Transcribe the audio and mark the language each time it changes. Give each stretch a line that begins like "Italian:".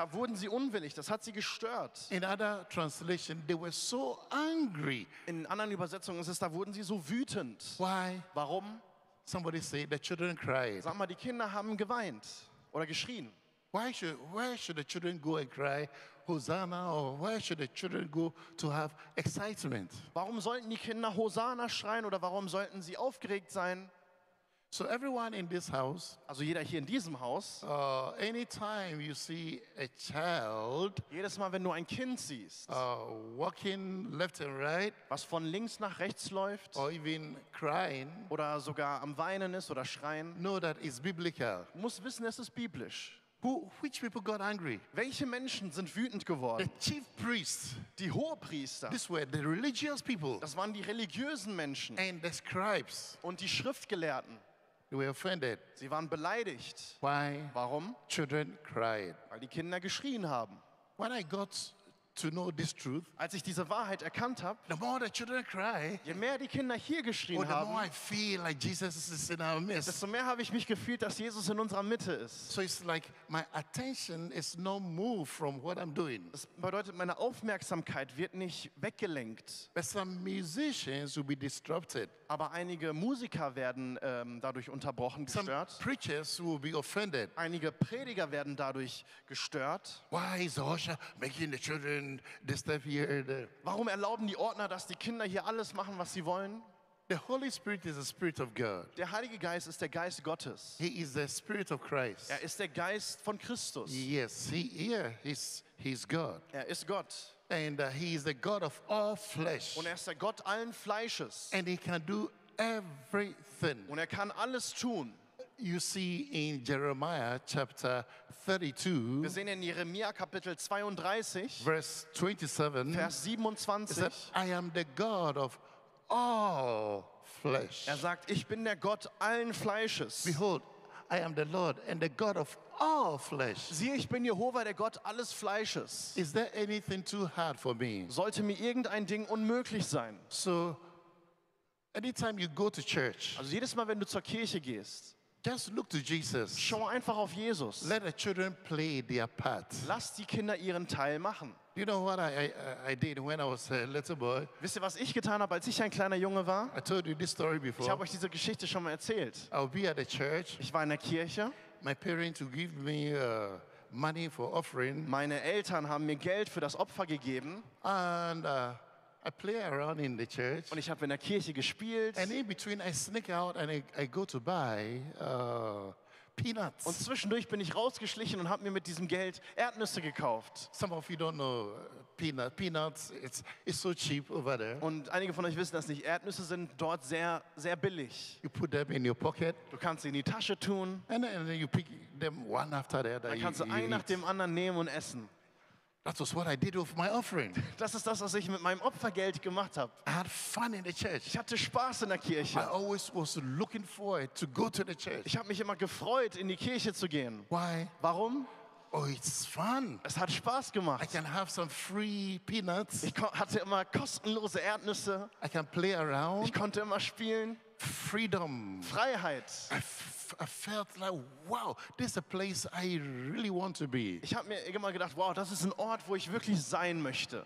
German: Da wurden sie unwillig, das hat sie gestört.
English: In other translation, they were so angry.
German: In anderen Übersetzungen ist es, da wurden sie so wütend.
English: Why?
German: Warum?
English: Somebody say the children cried.
German: Sag mal, die Kinder haben geweint oder geschrien.
English: Why should the children go and cry Hosanna, or why should the children go to have excitement?
German: Warum sollten die Kinder Hosanna schreien oder warum sollten sie aufgeregt sein?
English: So everyone in this house,
German: also jeder hier in diesem Haus,
English: anytime you see a child,
German: jedes Mal, wenn du ein Kind siehst,
English: walking left and right,
German: was von links nach rechts läuft,
English: or even crying,
German: oder sogar am Weinen ist oder schreien,
English: know that it's biblical.
German: Muss wissen, es ist biblisch.
English: Which people got angry?
German: Welche Menschen sind wütend geworden?
English: The chief priests,
German: die Hohepriester.
English: These were the religious people.
German: Das waren die religiösen Menschen.
English: And the scribes,
German: und die Schriftgelehrten.
English: They were offended.
German: Sie waren beleidigt.
English: Why?
German: Warum?
English: Children cried.
German: Weil die Kinder geschrien haben.
English: When I got to know this truth,
German: als ich diese Wahrheit erkannt habe,
English: the more the children cry,
German: je mehr die Kinder hier geschrien
English: the
German: haben,
English: more I feel like Jesus is in our midst,
German: desto mehr habe ich mich gefühlt, dass Jesus in unserer Mitte ist.
English: So it's like my attention is no move from what I'm doing.
German: Das bedeutet, meine Aufmerksamkeit wird nicht weggelenkt.
English: But some musicians will be disrupted.
German: Aber einige Musiker werden dadurch unterbrochen, gestört.
English: Some preachers will be offended.
German: Einige Prediger werden dadurch gestört.
English: Why is Osha making the children?
German: Warum erlauben die Ordner, dass die Kinder hier alles machen, was sie wollen?
English: The Holy Spirit is the Spirit of God.
German: Der Heilige Geist ist der Geist Gottes.
English: He is the Spirit of Christ.
German: Er ist der Geist von Christus.
English: Yes, he's God.
German: Er ist Gott.
English: And he is the God of all flesh.
German: Und er ist der Gott allen Fleisches.
English: And he can do everything.
German: Und er kann alles tun.
English: You see in Jeremiah chapter 32.
German: Wir sehen in Jeremia Kapitel 32,
English: verse 27.
German: Vers 27.
English: He said, I am the God of all flesh.
German: Er sagt, ich bin der Gott allen Fleisches.
English: Behold, I am the Lord and the God of all flesh.
German: Sieh, ich bin Jehova, der Gott alles Fleisches.
English: Is there anything too hard for me?
German: Sollte mir irgendein Ding unmöglich sein?
English: So Anytime you go to church,
German: also jedes Mal, wenn du zur Kirche gehst,
English: just look to Jesus.
German: Schau einfach auf Jesus.
English: Let the children play their part.
German: Lass die Kinder ihren Teil machen.
English: You know what I did when I was a little boy?
German: Wisst ihr, was ich getan habe, als ich ein kleiner Junge war?
English: I told you this story before.
German: Ich habe euch diese Geschichte schon mal erzählt.
English: I'll be at the church.
German: Ich war in der Kirche.
English: My parents would give me money for offering.
German: Meine Eltern haben mir Geld für das Opfer gegeben.
English: And I play around in the church.
German: Und ich habe in der Kirche gespielt.
English: And in between I sneak out and I go to buy peanuts.
German: Und zwischendurch bin ich rausgeschlichen und habe mir mit diesem Geld Erdnüsse gekauft.
English: Some of you don't know peanuts. It's so cheap over there.
German: Und einige von euch wissen das nicht. Erdnüsse sind dort sehr, sehr billig.
English: You put them in your pocket.
German: Du kannst sie in die Tasche tun.
English: And then you pick them one after the other.
German: Dann kannst du einen nach dem anderen nehmen und essen.
English: That was what I did with my offering.
German: Das ist das, was ich mit meinem Opfergeld gemacht habe.
English: I had fun in the church.
German: Ich hatte Spaß in der Kirche.
English: I always was looking forward to go to the church.
German: Ich habe mich immer gefreut, in die Kirche zu gehen.
English: Why?
German: Warum?
English: Oh, it's fun.
German: Es hat Spaß gemacht.
English: I can have some free peanuts.
German: Ich hatte immer kostenlose Erdnüsse.
English: I can play around.
German: Ich konnte immer spielen.
English: Freedom.
German: Freiheit.
English: I felt like, wow, this is a place I really want to be.
German: Ich habe mir immer gedacht, wow, das ist ein Ort, wo ich wirklich sein möchte.